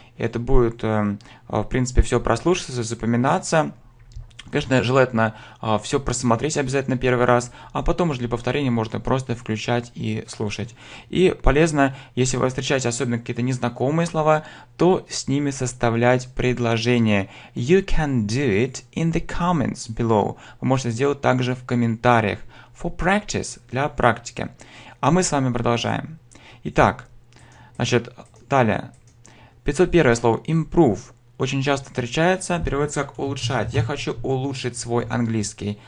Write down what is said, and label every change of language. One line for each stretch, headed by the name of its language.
Russian: Это будет, в принципе, все прослушаться, запоминаться. Конечно, желательно все просмотреть обязательно первый раз, а потом уже для повторения можно просто включать и слушать. И полезно, если вы встречаете особенно какие-то незнакомые слова, то с ними составлять предложение.
English: You can do it in the comments below.
Russian: Вы можете сделать также в комментариях.
English: For practice,
Russian: для практики. А мы с вами продолжаем. Итак, значит, далее. 501 слово improve. Очень часто встречается, переводится как улучшать. Я хочу улучшить свой английский.